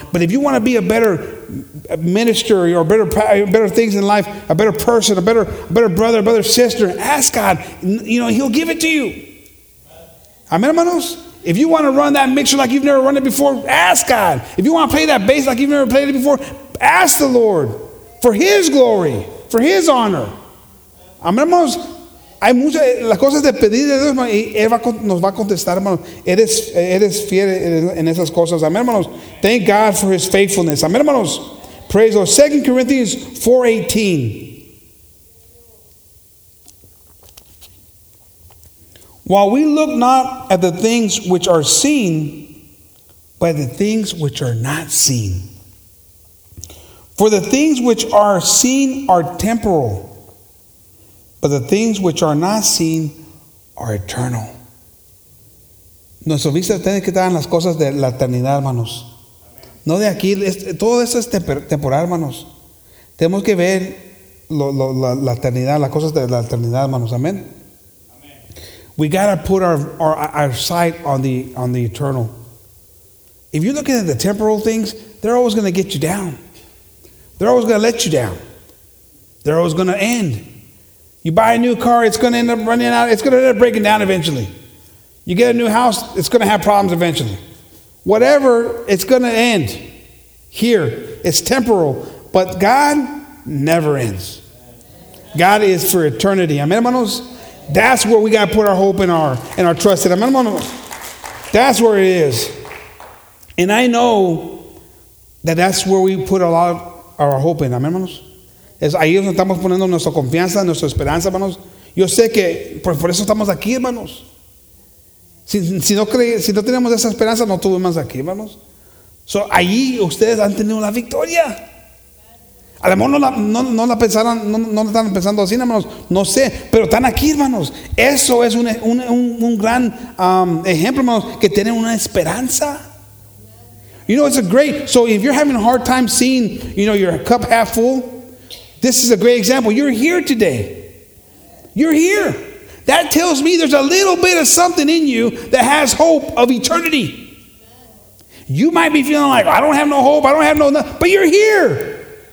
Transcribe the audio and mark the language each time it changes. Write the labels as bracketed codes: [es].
[en] But if you want to be a better minister or better things in life, a better person, a better brother, a better sister, ask God. You know, he'll give it to you. [es] Amen, hermanos. [en] If you want to run that mixture like you've never run it before, ask God. If you want to play that bass like you've never played it before, ask the Lord for his glory, for his honor. [es] Amen, hermanos. Hay muchas las cosas de pedir de Dios, y él nos va a contestar, hermanos. Eres fiel en esas cosas. Amén, hermanos. [en] Thank God for his faithfulness. [es] Amén, hermanos. [en] Praise the Lord. 2 Corinthians 4:18. While we look not at the things which are seen, but the things which are not seen. For the things which are seen are temporal, but the things which are not seen are eternal. [es] Nuestra vista tiene que estar en las cosas de la eternidad, hermanos. No de aquí. Todo eso es temporal, hermanos. Tenemos que ver la eternidad, las cosas de la eternidad, hermanos. Amén. [en] We got to put our sight on the eternal. If you're looking at the temporal things, they're always going to get you down. They're always going to let you down. They're always going to end. You buy a new car, it's going to end up running out. It's going to end up breaking down eventually. You get a new house, it's going to have problems eventually. Whatever, it's going to end here. It's temporal. But God never ends. God is for eternity. Amen, [es] hermanos? [en] That's where we got to put our hope and our trust in. Amen, [es] hermanos? [en] That's where it is. And I know that's where we put a lot of our hope in. [es] Amen, hermanos? Es ahí donde estamos poniendo nuestra confianza, nuestra esperanza, hermanos. Yo sé que por eso estamos aquí, hermanos. Si no tenemos esa esperanza, no estuvimos aquí, hermanos. So, ahí ustedes han tenido la victoria. A lo mejor no la están pensando así, hermanos. No sé, pero están aquí, hermanos. Eso es un gran ejemplo, hermanos, que tienen una esperanza. [en] You know, it's a great. So, if you're having a hard time seeing, you know, your cup half full, this is a great example. You're here today. You're here. That tells me there's a little bit of something in you that has hope of eternity. You might be feeling like, I don't have no hope. I don't have nothing. But you're here.